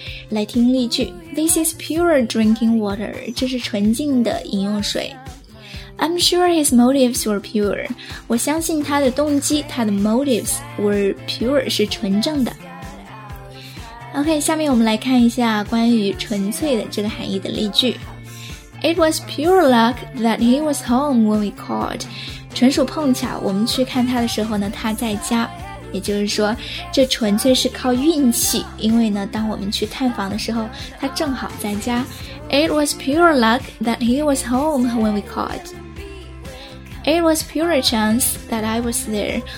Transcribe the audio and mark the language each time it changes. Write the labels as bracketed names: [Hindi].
[Chinese] 来听例句， [English] This is pure drinking water， [Chinese] 这是纯净的饮用水。 [English] I'm sure his motives were pure， [Chinese] 我相信他的动机、他的 [English] motives were pure， [Chinese] 是纯正的。 OK， 下面我们来看一下关于纯粹的这个含义的例句。 [English] It was pure luck that he was home when we called. [Chinese] 纯属碰巧，我们去看他的时候呢，他在家。也就是说，这纯粹是靠运气，因为呢，当我们去探访的时候，他正好在家。 [English] It was pure luck that he was home when we called. It was pure chance that I was there.